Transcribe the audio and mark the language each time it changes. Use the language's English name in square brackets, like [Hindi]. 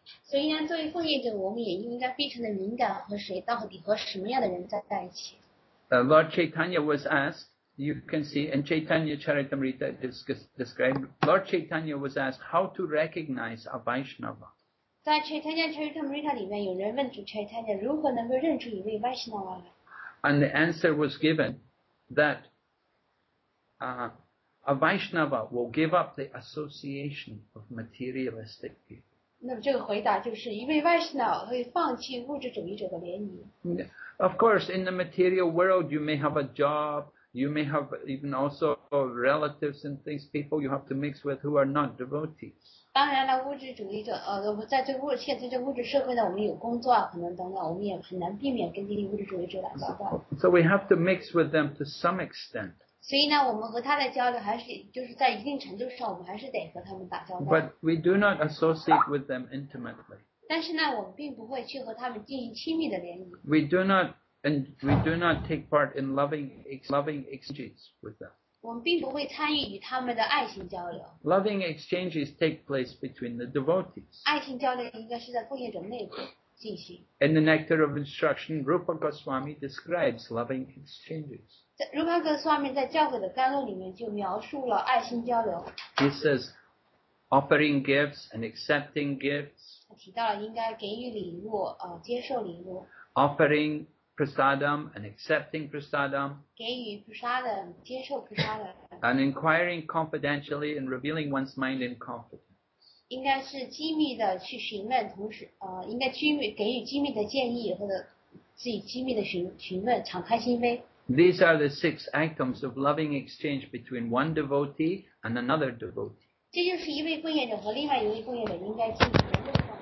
[Chinese] 所以呢，作为奉献者，我们也应该非常的敏感，和谁到底和什么样的人在一起。 [English] Lord Chaitanya was asked. You can see in Chaitanya Charitamrita described, Lord Chaitanya was asked how to recognize a Vaishnava. [Chinese] 在 Chaitanya Charitamrita 里面，有人问主 Chaitanya 如何能够认出一位 Vaishnava 来。 [English] And the answer was given that a Vaishnava will give up the association of materialistic people. [Chinese] 那么这个回答就是一位 Vaishnava 会放弃物质主义者的联谊。 [English] Of course, in the material world, you may have a job. You may have even also relatives and things, people you have to mix with who are not devotees. [Chinese] 当然了，物质主义者，在这物现在这物质社会呢，我们有工作啊，可能等等，我们也很难避免跟这些物质主义者打交道。 [English] So we have to mix with them to some extent. [Chinese] 所以呢，我们和他的交流还是就是在一定程度上，我们还是得和他们打交道。 [English] But we do not associate with them intimately. [Chinese] 但是呢，我们并不会去和他们进行亲密的联谊。 [English] We do not. And we do not take part in loving exchanges with them. [Chinese] 我们并不会参与与他们的爱情交流。 [English] Loving exchanges take place between the devotees. [Chinese] 爱情交流应该是在奉献者内部进行。 [English] In the Nectar of Instruction, Rupa Goswami describes loving exchanges. [Chinese] 在 Rupa Goswami 在教诲的甘露里面就描述了爱情交流。 [English] He says, offering gifts and accepting gifts. [Chinese] 他提到了应该给予礼物，接受礼物。 [English] Offering prasadam and accepting prasadam, [Chinese] 给予 prasadam, 接受 prasadam, [English] and inquiring confidentially and revealing one's mind in confidence. [Chinese] 应该是机密的去询问，同时应该机密给予机密的建议或者自己机密的询问，敞开心扉。 [English] These are the six items of loving exchange between one devotee and another devotee. [Chinese] 这就是一位奉献者和另外一位奉献者应该进行的。